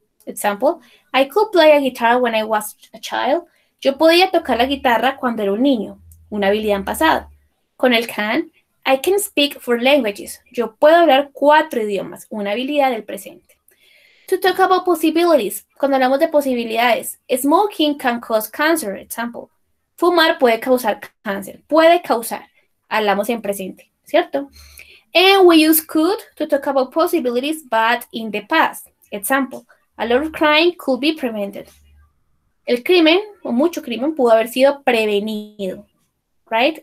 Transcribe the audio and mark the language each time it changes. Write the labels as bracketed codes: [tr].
[en] Example, I could play a guitar when I was a child. [es] Yo podía tocar la guitarra cuando era un niño, una habilidad en pasado. Con el can, [en] I can speak four languages. [es] Yo puedo hablar cuatro idiomas, una habilidad del presente. [en] To talk about possibilities, [es] cuando hablamos de posibilidades, [en] smoking can cause cancer, example. [es] Fumar puede causar cáncer, puede causar, hablamos en presente, ¿cierto? [en] And we use could to talk about possibilities, but in the past, example. A lot of crime could be prevented. [es] El crimen, o mucho crimen, pudo haber sido prevenido, right?